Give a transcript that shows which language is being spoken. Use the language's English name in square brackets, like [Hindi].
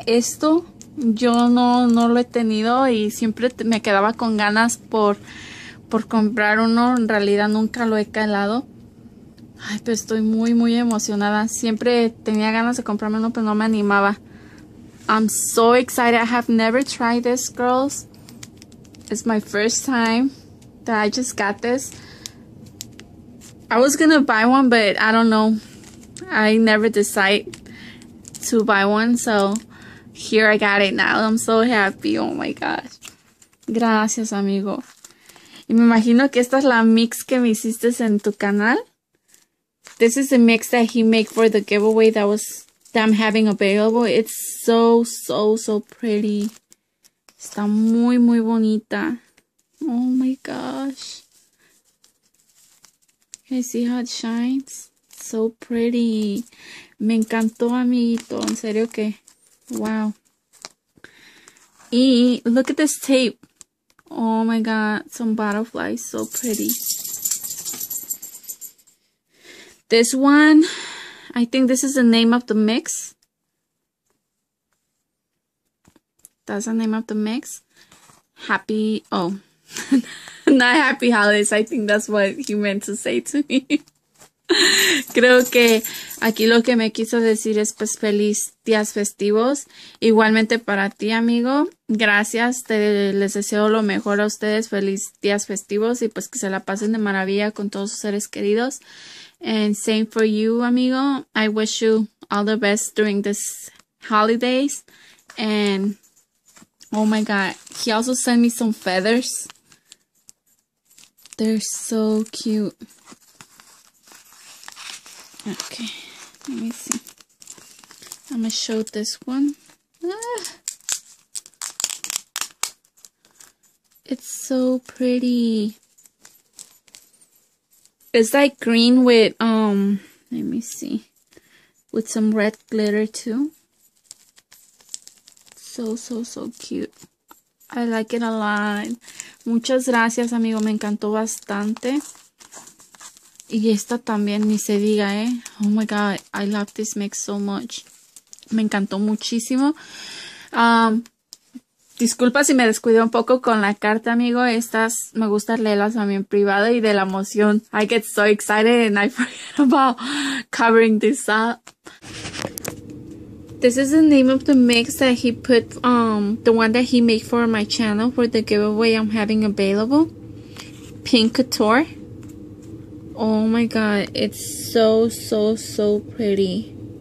[Spanish] Esto yo no lo he tenido y siempre me quedaba con ganas por comprar uno. En realidad nunca lo he calado. Ay, pero estoy muy, muy emocionada. Siempre tenía ganas de comprarme uno, pero no me animaba. [English] I'm so excited. I have never tried this, girls. It's my first time that I just got this. I was gonna buy one, but I don't know. I never decide to buy one, so here I got it now. I'm so happy. Oh my gosh. [Spanish] Gracias, amigo. Y me imagino que esta es la mix que me hiciste en tu canal. [English] This is the mix that he made for the giveaway that I'm having available. It's so, so, so pretty. [Spanish] Está muy, muy bonita. [English] Oh my gosh. Can you see how it shines? So pretty. [Spanish] Me encantó, amiguito. En serio que. [English] Wow. Y look at this tape. Oh my god. Some butterflies. So pretty. This one. I think this is the name of the mix. That's the name of the mix. Happy. Oh. Not happy holidays. I think that's what he meant to say to me. [Spanish] Creo que aquí lo que me quiso decir es pues feliz días festivos. Igualmente para ti, amigo. Gracias. Les deseo lo mejor a ustedes. Feliz días festivos. Y pues que se la pasen de maravilla con todos sus seres queridos. [English] And same for you, amigo. I wish you all the best during this holidays. And oh my god. He also sent me some feathers. They're so cute. Okay, let me see. I'm gonna show this one. Ah. It's so pretty. It's like green with, let me see. With some red glitter too. So, so, so cute. I like it a lot. [Spanish] Muchas gracias, amigo. Me encantó bastante. Y esta también, ni se diga, ¿eh? [English] Oh, my God. I love this mix so much. [Spanish] Me encantó muchísimo. Disculpa si me descuidé un poco con la carta, amigo. Estas me gusta leerlas a mí en privado y de la emoción. [English] I get so excited and I forget about covering this up. This is the name of the mix that he put, the one that he made for my channel for the giveaway I'm having available. Pink Couture. Oh my god, it's so pretty.